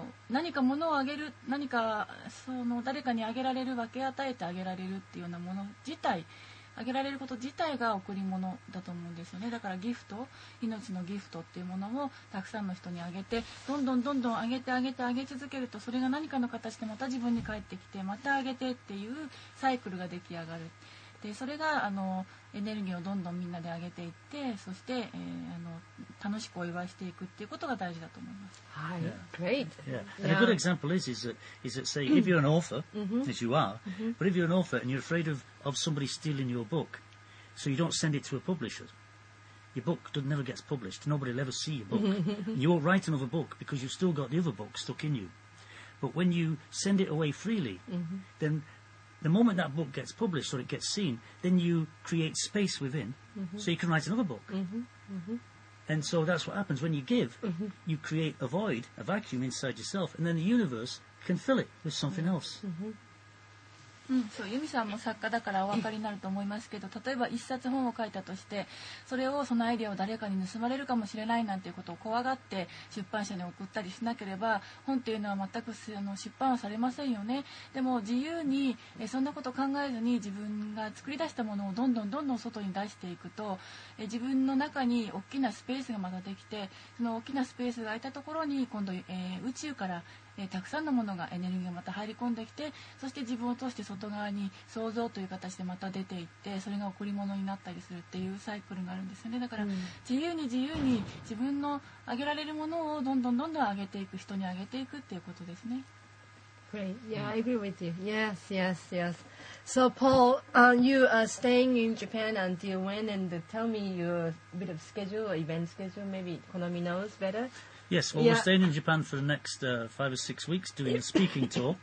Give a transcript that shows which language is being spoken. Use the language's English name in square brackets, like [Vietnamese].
[Japanese] 何か物をあげる、何かその誰かにあげられる、分け与えてあげられるっていうようなもの自体、あげられること自体が贈り物だと思うんですよね。だからギフト、命のギフトっていうものをたくさんの人にあげて、どんどんどんどんあげてあげてあげ続けると、それが何かの形でまた自分に返ってきて、またあげてっていうサイクルが出来上がる。で、それがエネルギーをどんどんみんなで上げていって、そして、楽しくお祝いしていくっていうことが大事だと思います。 [English] はい、great. Yeah. And a good example is that say if you're an author, as you are, but if you're an author and you're afraid of somebody stealing your book, so you don't send it to a publisher, your book never gets published. Nobody will ever see your book. You won't write another book because you've still got the other book stuck in you. But when you send it away freely, then the moment that book gets published or it gets seen, then you create space within, so you can write another book. And so that's what happens. When you give, you create a void, a vacuum inside yourself, and then the universe can fill it with something else. [Japanese] そう、由美さんも作家だからお分かりになると思いますけど、例えば一冊本を書いたとして、それをそのアイデアを誰かに盗まれるかもしれないなんていうことを怖がって出版社に送ったりしなければ、本っていうのは全く出版はされませんよね。でも自由にそんなこと考えずに、自分が作り出したものをどんどんどんどん外に出していくと、自分の中に大きなスペースがまたできて、その大きなスペースが空いたところに今度、宇宙からたくさんのものがエネルギーがまた入り込んできて、そして自分を通して外側に創造という形でまた出ていって、それが贈り物になったりするっていうサイクルがあるんですよね。だから自由に自由に自分のあげられるものをどんどんどんどん上げていく、人にあげていくっていうことですね。 [English] Great. Yeah, I agree with you. Yes, yes, yes. So Paul, you are staying in Japan until when, and tell me your bit of schedule or event schedule, maybe Konami knows better Yes, well, we're staying in Japan for the next 5 or 6 weeks doing a speaking tour.